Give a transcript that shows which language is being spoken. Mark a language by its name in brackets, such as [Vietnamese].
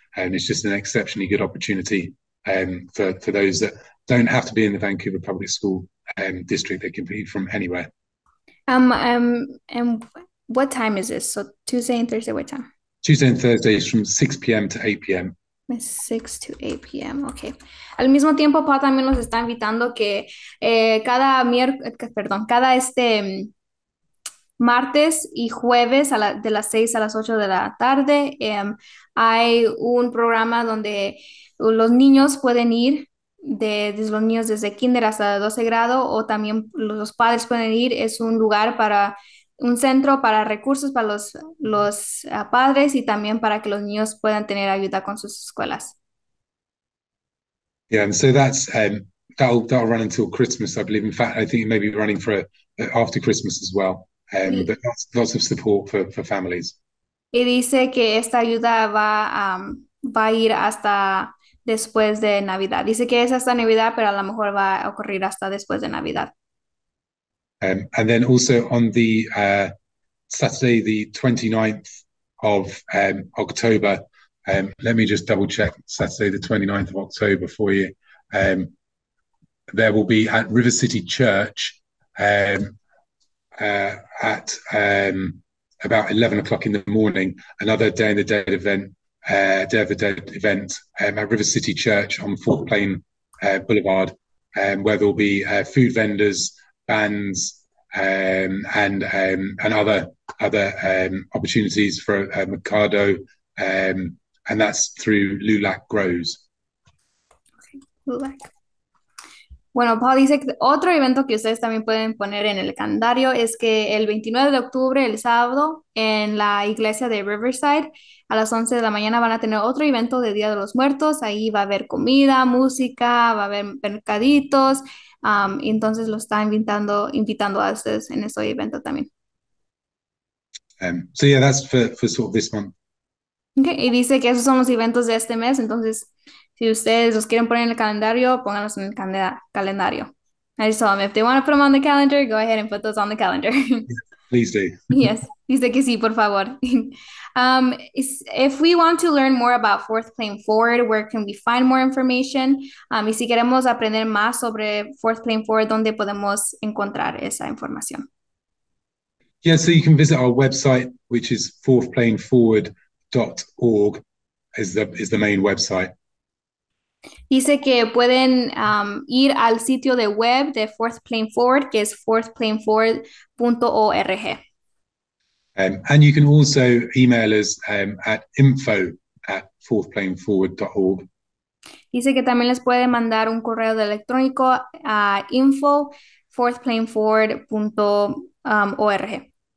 [English] And it's just an exceptionally good opportunity for those that don't have to be in the Vancouver Public School district. They can be from anywhere. And what time is this? So Tuesday and Thursday, what time? Tuesday and Thursday is from 6 p.m. to 8 p.m. 6 to 8 p.m., ok. [Spanish] Al mismo tiempo, Pa también nos está invitando que cada miércoles, perdón, cada martes y jueves de las 6 a las 8 de la tarde, hay un programa donde los niños pueden ir, desde los niños desde kinder hasta 12 grado, o también los padres pueden ir. Es un lugar para un centro para recursos para los padres y también para que los niños puedan tener ayuda con sus escuelas. [English] Yeah, and so that's that'll run until Christmas, I believe. In fact, I think it may be running for after Christmas as well. But lots of support for families. [Spanish] Y dice que esta ayuda va a ir hasta después de Navidad. Dice que es hasta Navidad, pero a lo mejor va a ocurrir hasta después de Navidad. [English] And then also on the Saturday, the 29th of October, let me just double check, Saturday the 29th of October for you. There will be at River City Church at about 11 o'clock in the morning, another Day in the Dead event, Day of the Dead event at River City Church on Fort Plain Boulevard, where there will be food vendors, bands, and other opportunities for Mercado, and that's through Lulac Grows. Lulac. [Spanish] Bueno, Paul dice que otro evento que ustedes también pueden poner en el calendario es que el 29 de octubre, el sábado, en la iglesia de Riverside, a las 11 de la mañana van a tener otro evento de Día de los Muertos. Ahí va a haber comida, música, va a haber mercaditos. Y entonces lo está invitando a ustedes en ese evento también. [English] So yeah, that's for sort of this month. [Spanish] Okay, y dice que esos son los eventos de este mes, entonces si ustedes los quieren poner en el calendario, pónganlos en el calendario. [English] I saw them. If they want to put them on the calendar, go ahead and put those on the calendar. Please do. Yes. [Spanish] Dice que sí, por favor. [English] If we want to learn more about Fourth Plane Forward, where can we find more information? [Spanish] Y si queremos aprender más sobre Fourth Plane Forward, ¿dónde podemos encontrar esa información? [English] Yeah, so you can visit our website, which is fourthplaneforward.org is the main website. [Spanish] Dice que pueden ir al sitio de web de Fourth Plane Forward, que es fourthplaneforward.org. [English] And you can also email us at info@fourthplaneforward.org. [Spanish] Dice que también les puede mandar un correo de electrónico a info@fourthplaneforward.org.